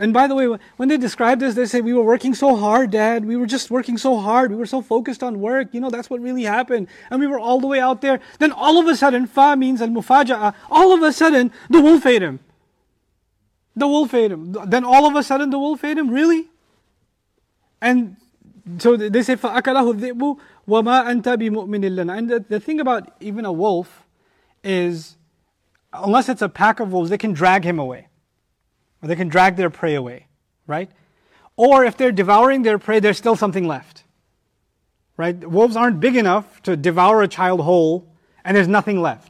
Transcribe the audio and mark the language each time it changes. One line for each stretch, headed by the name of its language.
English: And by the way, when they describe this, they say, we were working so hard, Dad. We were just working so hard. We were so focused on work. You know, that's what really happened. And we were all the way out there. Then all of a sudden, fa means al-mufaja'a. All of a sudden, the wolf ate him. The wolf ate him. Then all of a sudden, the wolf ate him. Really? And so they say,
Arabic: فَأَكَلَهُ الذِّئْبُ وَمَا أَنْتَ بِمُؤْمِنٍ لَنَا.
English: And the thing about even a wolf is, unless it's a pack of wolves, they can drag him away. Or they can drag their prey away, right? Or if they're devouring their prey, there's still something left, right? Wolves aren't big enough to devour a child whole, and there's nothing left.